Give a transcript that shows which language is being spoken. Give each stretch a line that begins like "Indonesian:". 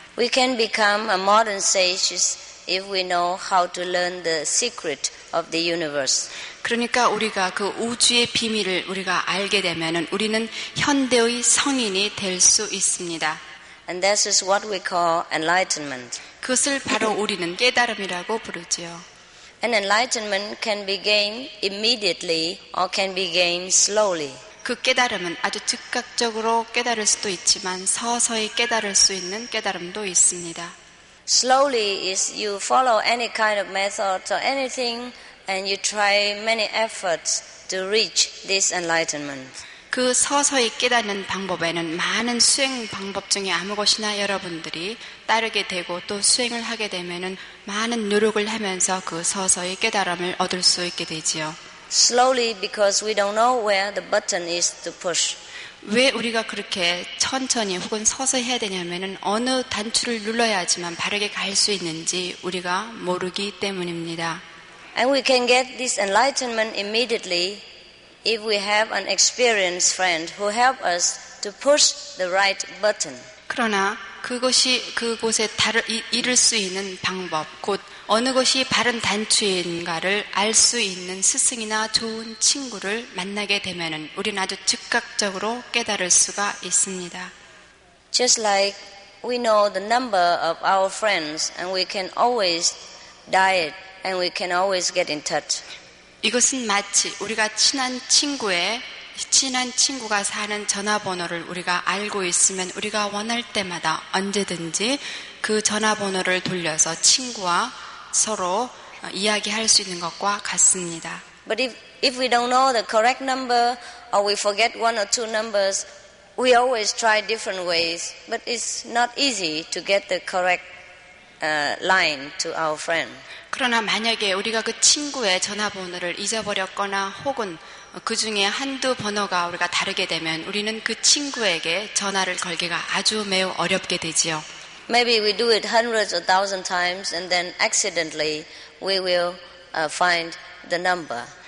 English: We can become a modern sage if we know how to learn the secret of the universe.
Korean: 그러니까 우리가 그 우주의 비밀을 우리가 알게 되면은 우리는 현대의 성인이 될 수 있습니다.
English: And this is what we call enlightenment.
Korean: 그것을 바로 우리는 깨달음이라고 부르지요.
English: And enlightenment can be gained immediately or can be gained slowly.
Korean: 그 깨달음은 아주 즉각적으로 깨달을 수도 있지만 서서히 깨달을 수 있는 깨달음도 있습니다.
English: Slowly is you follow any kind of method or anything and you try many efforts to reach this enlightenment.
Korean: 그 서서히 깨닫는 방법에는 많은 수행 방법 중에 아무 것이나 여러분들이 따르게 되고 또 수행을 하게 되면은 많은 노력을 하면서 그 서서히 깨달음을 얻을 수 있게 되지요.
English: Slowly because we don't know where the button is to push.
Korean: 왜 우리가 그렇게 천천히 혹은 서서히 해야 되냐면은 어느 단추를 눌러야지만 바르게 갈 수 있는지 우리가 모르기 때문입니다.
English: And we can get this enlightenment immediately if we have an experienced friend who help us to push the right button.
Korean: 그러나 그것이 그곳에 이를 수 있는 방법 곧 어느 것이 바른 단추인가를 알 수 있는 스승이나 좋은 친구를 만나게 되면은 우리는 아주 즉각적으로 깨달을 수가 있습니다.
English: Just like we know the number of our friends and we can always diet and we can always get in touch.
Korean: 이것은 마치 우리가 친한 친구의 친한 친구가 사는 전화번호를 우리가 알고 있으면 우리가 원할 때마다 언제든지 그 전화번호를 돌려서 친구와 서로 이야기할 수 있는 것과 같습니다.
English: But if we don't know the correct number or we forget one or two numbers, we always try different ways. But it's not easy to get the correct line to our friend.
Korean: 그러나 만약에 우리가 그 친구의 전화번호를 잊어버렸거나 혹은 그 중에 한두 번호가 우리가 다르게 되면 우리는 그 친구에게 전화를 걸기가 아주 매우 어렵게 되지요.
English: Maybe we do it hundreds or thousand times and then accidentally we will find the number.